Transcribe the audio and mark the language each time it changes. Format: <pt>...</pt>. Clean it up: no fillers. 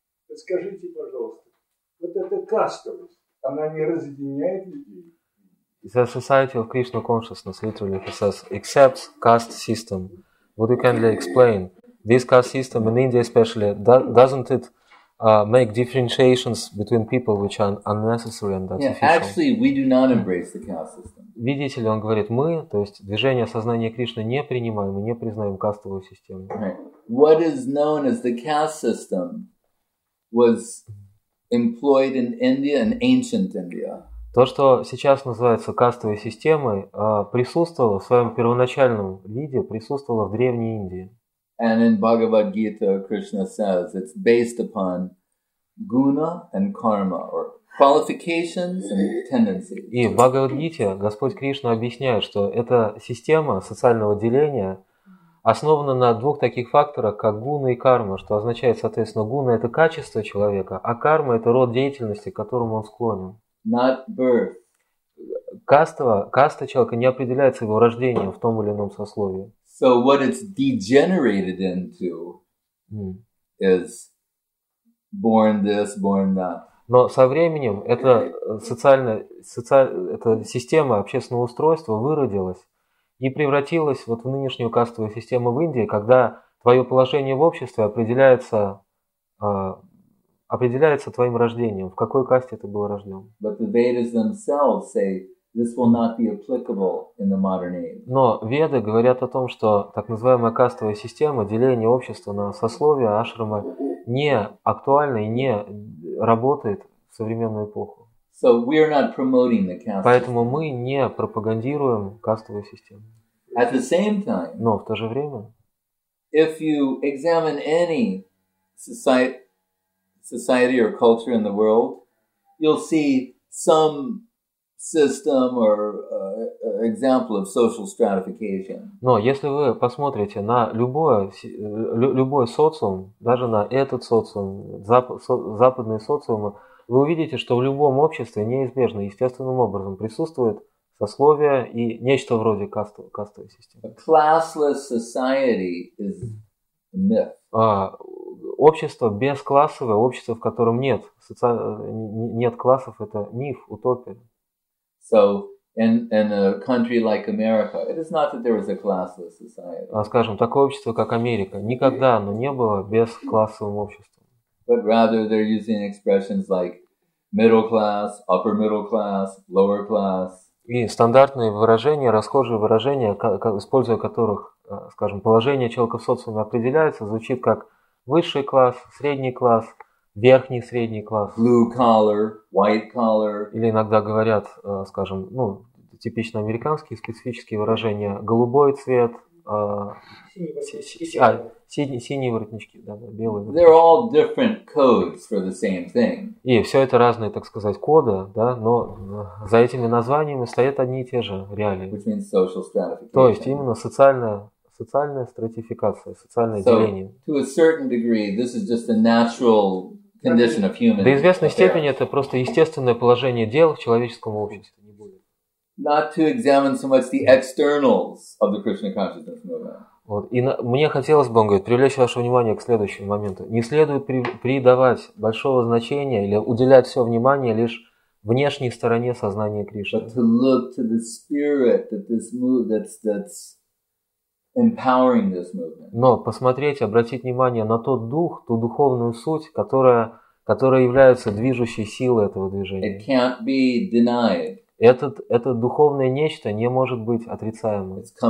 <ru>Подскажите, пожалуйста, вот эта кастовость, она не разъединяет людей?</ru> <en>The Society of Krishna Consciousness literally says accepts caste system. Would you kindly explain this caste system in India, especially? Doesn't it make differentiations between people which are unnecessary and artificial? Yeah, actually, we do not embrace the caste system.</en> <ru>Видите ли, он говорит, мы, то есть движение сознания Кришны, не принимаем и не признаем кастовую систему.</ru> <en>Right. What is known as the caste system was employed in India, in ancient India.</en> <ru>То, что сейчас называется кастовой системой, присутствовало в своем первоначальном виде, присутствовало в Древней Индии.</ru> <en>And in Bhagavad Gita, Krishna says it's based upon guna and karma, or qualifications and tendencies.</en> <ru>И в Бхагавад-гите Господь Кришна объясняет, что эта система социального деления основана на двух таких факторах, как гуна и карма, что означает, соответственно, гуна – это качество человека, а карма – это род деятельности, к которому он склонен.</ru> <en>Not birth.</en> <ru>Каста человека не определяется его рождением в том или ином сословии.</ru> <en>So what it's degenerated into is born this, born that.</en> <ru>Но со временем эта эта система общественного устройства выродилась и превратилась вот в нынешнюю кастовую систему в Индии, когда твое положение в обществе определяется твоим рождением, в какой касте ты был рожден.</ru> <en>But the Vedas themselves say this will not be applicable in the modern age.</en> <ru>Но Веды говорят о том, что так называемая кастовая система, деление общества на сословия, ашрамы, не актуальна и не работает в современную эпоху.</ru> <en>So we are not promoting the caste.</en> <ru>Поэтому мы не пропагандируем кастовую систему.</ru> <en>At the same time,</en> <ru>но в то же время,</ru> <en>if you examine any society or culture in the world, you'll see some system or example of social stratification.</en> <ru>Но если вы посмотрите на любой социум, даже на этот социум, западный социум, вы увидите, что в любом обществе неизбежно, естественным образом присутствует сословие и нечто вроде кастовой системы.</ru> <en>A classless society is a myth.</en> <ru>Общество бесклассовое, общество, в котором нет классов, это миф, утопия.</ru> <en>So in a country like America, it is not that there was a classless society.</en> <ru>Скажем, такое общество, как Америка, никогда оно не было бесклассовым обществом.</ru> <en>But rather they're using expressions like middle class, upper middle class, lower class.</en> <ru>И стандартные выражения, расхожие выражения, используя которых, скажем, положение человека в социуме определяется, звучит как высший класс, средний класс, верхний средний класс.</ru> <en>Blue collar, white collar.</en> <ru>Или иногда говорят, скажем, ну, типично американские специфические выражения, голубой цвет, синие воротнички, да, белые.</ru> <en>They're all different codes for the same thing.</en> <ru>И все это разные, так сказать, коды, да, но за этими названиями стоят одни и те же реалии.</ru> <en>Which means social stratification.</en> <ru>То есть именно социальная стратификация, социальное деление.</ru> <en>So, to a certain degree, this is just a natural condition of human.</en> <ru>До известной степени это просто естественное положение дел в человеческом обществе.</ru> <en>Not to examine so much the externals of the Krishna consciousness movement.</en> <ru>Вот. И мне хотелось бы, он говорит, привлечь ваше внимание к следующему моменту. Не следует придавать большого значения или уделять все внимание лишь внешней стороне сознания Кришны.</ru> <en>But to look to the spirit that this move that's empowering this movement.</en> <ru>Но посмотреть, обратить внимание на тот дух, ту духовную суть, которая является движущей силой этого движения.</ru> <en>It can't be denied.</en> <ru>Это духовное нечто не может быть отрицаемым.</ru>